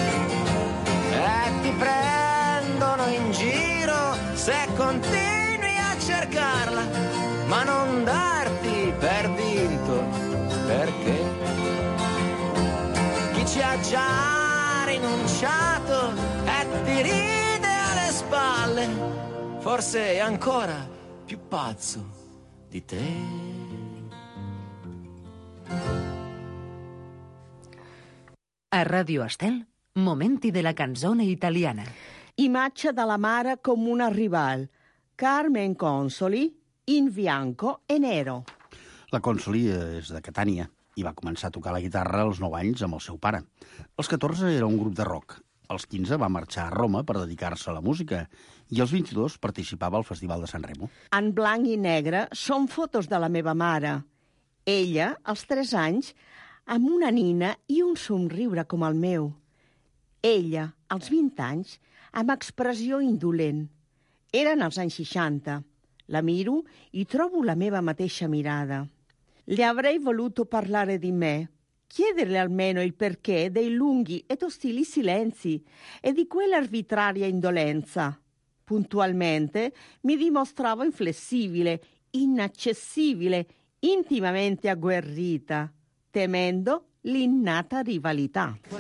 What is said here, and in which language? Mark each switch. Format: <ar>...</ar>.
<it>E ti prendono in giro se continui a cercarla, ma non darti per vinto, perché chi ci ha già rinunciato e ti ride alle spalle, forse è ancora più pazzo di te. A Radio Estel, momenti della canzone italiana.</it> <ca>Imatge de la mare com una rival.</ca> <it>Carmen Consoli, In bianco e nero.</it> <ca>La Consoli és de Catània i va començar a tocar la guitarra als 9 anys amb el seu pare. Als 14 era un grup de rock. Als 15 va marxar a Roma per dedicar-se a la música i als 22 participava al Festival de San Remo. En blanc i negre són fotos de la meva mare. Ella, als 3 anys, amb una nina i un somriure com el meu. Ella, als 20 anys, amb expressió indolent. Eren els anys 60. La miro i trobo la meva mateixa mirada.</ca> <it>Le avrei voluto parlare di me, chiederle almeno il perché dei lunghi ed ostili silenzi e di quell'arbitraria indolenza. Puntualmente mi dimostravo inflessibile, inaccessibile, intimamente agguerrita, temendo l'innata rivalità.</it>